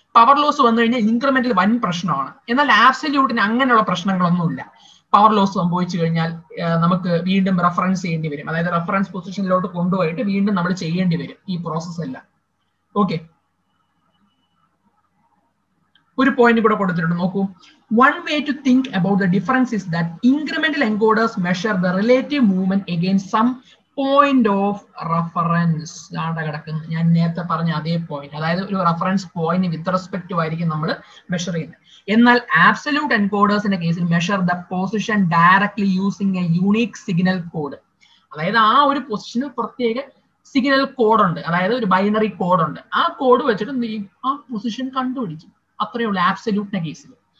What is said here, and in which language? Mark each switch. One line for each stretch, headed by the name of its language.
Malayalam: Power loss വന്നു കഴിഞ്ഞാൽ incremental വൻ പ്രശ്നമാണ്, എന്നാൽ ആബ്സല്യൂട്ടിന് അങ്ങനെയുള്ള പ്രശ്നങ്ങളൊന്നുമില്ല. പവർ ലോസ് സംഭവിച്ചു കഴിഞ്ഞാൽ നമുക്ക് വീണ്ടും റെഫറൻസ് ചെയ്യേണ്ടി വരും, അതായത് റെഫറൻസ് പൊസിഷനിലോട്ട് കൊണ്ടുപോയിട്ട് വീണ്ടും നമ്മൾ ചെയ്യേണ്ടി വരും ഈ പ്രോസസ് എല്ലാം. ഓക്കെ, ഒരു പോയിന്റ് കൂടെ കൊടുത്തിട്ടുണ്ട്, നോക്കൂ.
English: One way to think about the difference is that incremental encoders measure the relative movement against some point of reference.
Malayalam: Data കടക്കുന്ന ഞാൻ നേരത്തെ പറഞ്ഞ അതേ പോയിന്റ്, അതായത് ഒരു റഫറൻസ് പോയിന്റ് വിത്ത് റെസ്പെക്ട് ആയിരിക്കും നമ്മൾ മെഷർ ചെയ്യുന്നത്. എന്നാൽ ആബ്സല്യൂട്ട് എൻകോഡേഴ്സിന്റെ കേസിൽ
English: Measure the position directly using a unique signal code.
Malayalam: അതായത് ആ ഒരു പൊസിഷന് പ്രത്യേക സിഗ്നൽ കോഡുണ്ട്, അതായത് ഒരു ബൈനറി കോഡുണ്ട്, ആ കോഡ് വെച്ചിട്ട് നീ ആ പൊസിഷൻ കണ്ടുപിടിച്ചു, അത്രയേ ഉള്ളൂ ആബ്സല്യൂട്ടിന്റെ കേസിൽ.